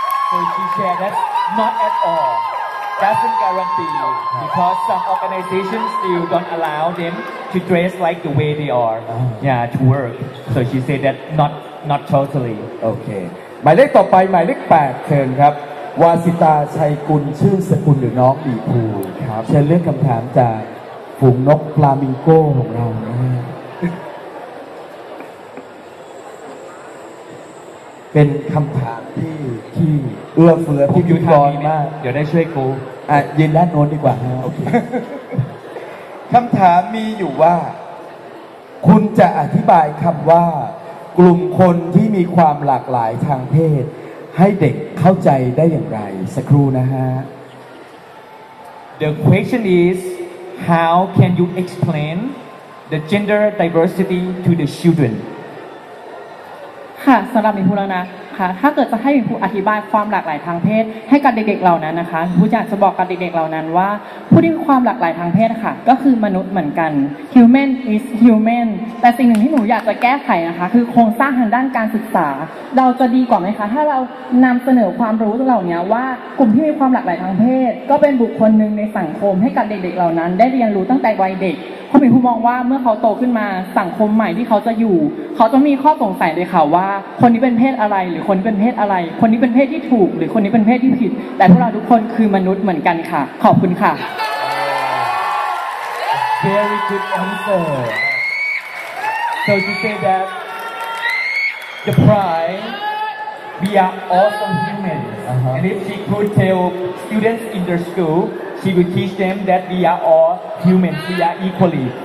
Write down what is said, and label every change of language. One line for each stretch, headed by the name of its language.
English: So she said that's not at all doesn't guarantee because some organizations still don't allow them to dress like the way they are yeah to work so she said that not totally
Thai: okay หมายเลขต่อไปหมายเลข8เชิญครับวาสิตาชัยกุลชื่อสกุลหรือน้องดีภู ครับ เชิญเรื่องคำถามจากฝูงนกฟลามิงโก้ของเราเป็นคำถามที่เอื้อเฟื้อที่ยุ่งยอมาก เดี๋ยวได้ช่วยกู ยืนด้านโน้นดีกว่า โอเค คำถามมีอยู่ว่าคุณจะอธิบายคำว่ากลุ่มคนที่มีความหลากหลายทางเพศให้เด็กเข้าใจได้อย่างไรสักครู่นะฮะ
English: The question is how can you explain the gender diversity to the children
Thai: ค่ะสำหรับหมิ่นพูแล้วนะค่ะถ้าเกิดจะให้หมิ่นพูอธิบายความหลากหลายทางเพศให้กับเด็กๆเหล่านั้นนะคะผู้อยากจะบอกกับเด็กๆเหล่านั้นว่าผู้ที่มีความหลากหลายทางเพศค่ะก็คือมนุษย์เหมือนกัน
English: human is human
Thai: แต่สิ่งหนึ่งที่หนูอยากจะแก้ไขนะคะคือโครงสร้างทางด้านการศึกษา เราจะดีกว่าไหมคะถ้าเรานำเสนอความรู้เหล่านี้ว่ากลุ่มที่มีความหลากหลายทางเพศก็เป็นบุคคลหนึ่งในสังคมให้กับเด็กๆเหล่านั้นได้เรียนรู้ตั้งแต่วัยเด็กเขาเป็นผู้มองว่าเมื่อเขาโตขึ้นมาสังคมใหม่ที่เขาจะอยู่เขาต้องมีข้อสงสัยเลยค่ะว่าคนนี้เป็นเพศอะไรหรือคนนี้เป็นเพศอะไรคนนี้เป็นเพศที่ถูกหรือคนนี้เป็นเพศที่ผิดแต่พวกเราทุกคนคือมนุษย์เหมือนกันค่ะขอบคุณค่ะ
English: Very good answer So you say that the pride we are awesome humans and if she could tell students in their schoolShe will teach them that we are all human, we are equally.